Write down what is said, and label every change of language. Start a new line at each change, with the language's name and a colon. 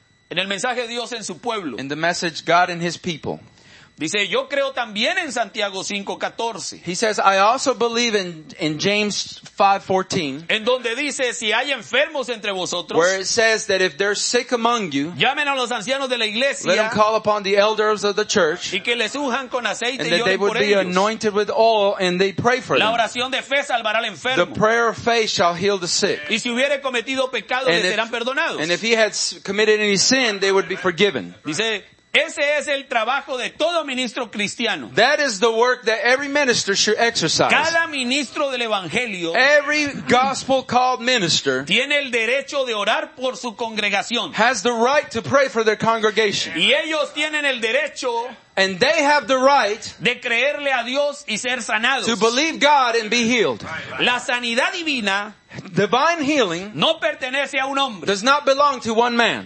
Spanish: En el mensaje de Dios en su pueblo.
English: In the message God and his people.
Spanish: Dice, yo creo también en Santiago 5:14.
English: He says, I also believe in James 5:14.
Spanish: En donde dice, si hay enfermos entre vosotros.
English: Where it says that if they're sick among you.
Spanish: Llamen a los ancianos de la iglesia.
English: Let them call upon the elders of the church.
Spanish: Y que les unjan con aceite y oren por ellos.
English: And that they would be anointed with oil and they pray for them.
Spanish: La oración de fe salvará al enfermo.
English: The prayer of faith shall heal the sick.
Spanish: Y si hubiere cometido pecado, les serán perdonados.
English: And if he had committed any sin, they would be forgiven.
Spanish: Dice, ese es el trabajo de todo ministro cristiano.
English: That is the work that every minister should exercise.
Spanish: Cada ministro del evangelio,
English: every gospel called minister,
Spanish: tiene el derecho de orar por su congregación.
English: Has the right to pray for their congregation.
Spanish: Y ellos tienen el derecho.
English: And they have the right
Spanish: de creerle a Dios y ser sanados.
English: To believe God and be healed.
Spanish: La sanidad divina,
English: divine healing,
Spanish: no pertenece a un hombre,
English: does not belong to one man